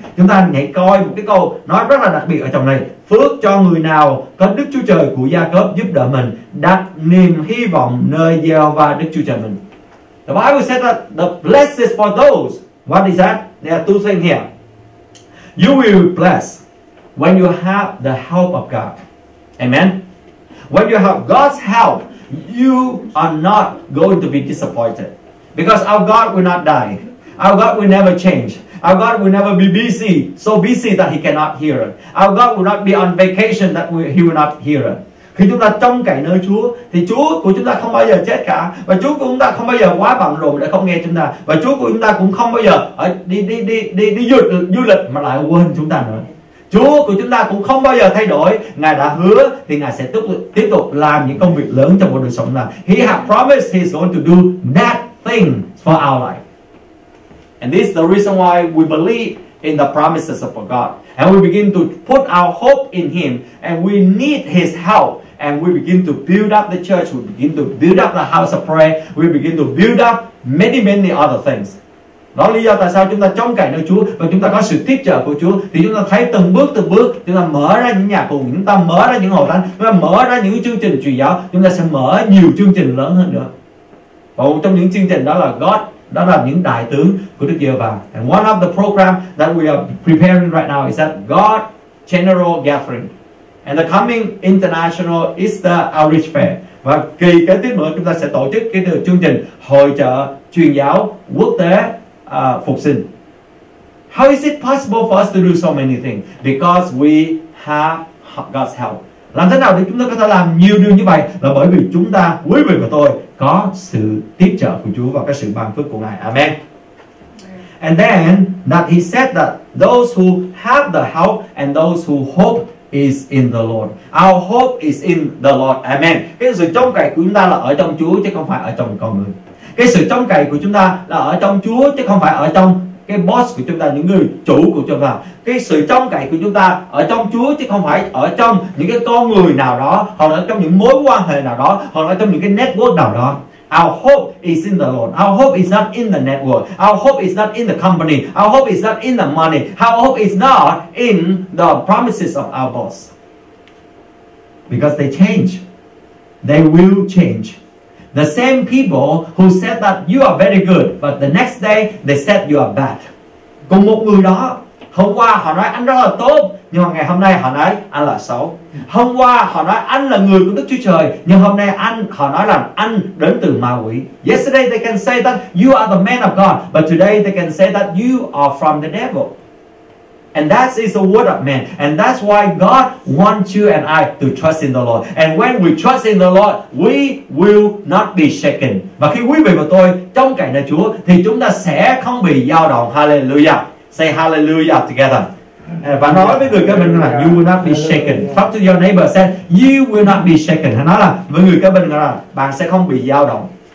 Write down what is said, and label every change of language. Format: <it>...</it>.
<vi>Chúng ta hãy coi một cái câu nói rất là đặc biệt ở trong này. Phước cho người nào có Đức Chúa Trời của Gia-cốp giúp đỡ mình, đặt niềm hy vọng nơi Giê-hô-va Đức Chúa Trời mình.</vi> <en>The Bible says that the blessings for those. What is that? There are two things here. You will be blessed when you have the help of God. Amen. When you have God's help, you are not going to be disappointed. Because our God will not die. Our God will never change. Our God will never be busy, so busy that He cannot hear us. Our God will not be on vacation that He will not hear us.</en> <vi>Khi chúng ta trông cậy nơi Chúa thì Chúa của chúng ta không bao giờ chết cả, và Chúa của chúng ta không bao giờ quá bận rộn để không nghe chúng ta, và Chúa của chúng ta cũng không bao giờ đi du lịch mà lại quên chúng ta nữa. Chúa của chúng ta cũng không bao giờ thay đổi. Ngài đã hứa thì Ngài sẽ tiếp tục làm những công việc lớn trong cuộc đời sống này.</vi> <en>He has promised he's going to do that thing for our life. And this is the reason why we believe in the promises of God. And we begin to put our hope in him, and we need his help. And we begin to build up the church, we begin to build up the house of prayer, we begin to build up many, many other things.</en> <vi>Đó là lý do tại sao chúng ta trông cậy nơi Chúa và chúng ta có sự tiếp trợ của Chúa, thì chúng ta thấy từng bước chúng ta mở ra những nhà cầu nguyện, chúng ta mở ra những hội thánh, chúng ta mở ra những chương trình truyền giáo, chúng ta sẽ mở nhiều chương trình lớn hơn nữa. Và một trong những chương trình đó là God, đó là những đại tướng của Đức Giê-hô-va.</vi> <en>And one of the program that we are preparing right now is that God General Gathering. And the coming international is the outreach fair.</en> <vi>Và kỳ kế tiếp nữa chúng ta sẽ tổ chức cái chương trình hội chợ truyền giáo quốc tế. Phục sinh.</vi> <en>How is it possible for us to do so many things? Because we have God's help.</en> <vi>Làm thế nào để chúng ta có thể làm nhiều điều như vậy? Là bởi vì chúng ta, quý vị và tôi, có sự tiếp trợ của Chúa và cái sự ban phước của Ngài.</vi> <en>Amen. And then that he said that those who have the help and those who hope is in the Lord. Our hope is in the Lord. Amen.</en> <vi>Cái sự trông cậy của chúng ta là ở trong Chúa chứ không phải ở trong con người. Cái sự trông cậy của chúng ta là ở trong Chúa chứ không phải ở trong cái boss của chúng ta, những người chủ của chúng ta. Cái sự trông cậy của chúng ta ở trong Chúa chứ không phải ở trong những cái con người nào đó, hoặc là ở trong những mối quan hệ nào đó, hoặc là ở trong những cái network nào đó.</vi> <en>Our hope is in the Lord. Our hope is not in the network. Our hope is not in the company. Our hope is not in the money. Our hope is not in the promises of our boss. Because they change. They will change. The same people who said that you are very good, but the next day they said you are bad.</en> <vi>Cùng một người đó, hôm qua họ nói anh rất là tốt, nhưng mà ngày hôm nay họ nói anh là xấu. Hôm qua họ nói anh là người của Đức Chúa Trời, nhưng hôm nay họ nói là anh đến từ ma quỷ.</vi> <en>Yesterday they can say that you are the man of God, but today they can say that you are from the devil. And that is the word of man. And that's why God wants you and I to trust in the Lord. And when we trust in the Lord, we will not be shaken.</en> <vi>Và khi quý vị và tôi trông cậy nơi Chúa, thì chúng ta sẽ không bị dao động.</vi> <en>Hallelujah. Say hallelujah together.</en> <vi>Và nói với người kế bên là</vi> <en>you will not be shaken. Talk to your neighbor, say you will not be shaken.</en> <vi>Nói là với người kế bên là bạn sẽ không bị dao động.</vi>